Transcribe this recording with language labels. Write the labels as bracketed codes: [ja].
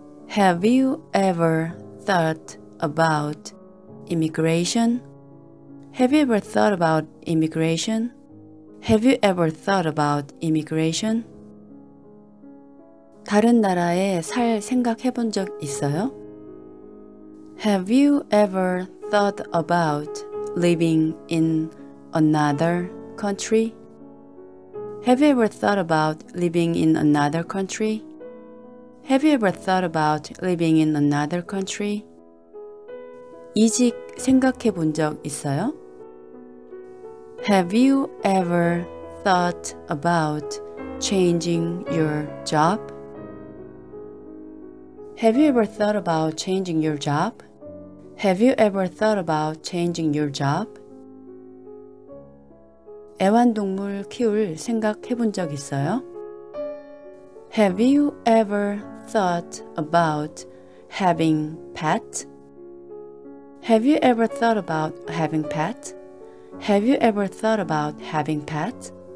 [en] Have you ever thought about immigration? Have you ever thought about immigration? Have you ever thought about immigration? [ko] 다른 나라에 살 생각해 본 적 있어요? [en] Have you ever thought about living in another country? Have you ever thought about living in another country? Have you ever thought about living in another country? [ko] 이직 생각해 본 적 있어요? [en] Have you ever thought about changing your job? Have you ever thought about changing your job? Have you ever thought about changing your job? [ko] 애완동물 키울 생각해 본 적 있어요? [en] Have you ever thought about having pet? Have you ever thought about having pet? Have you ever thought about having pet?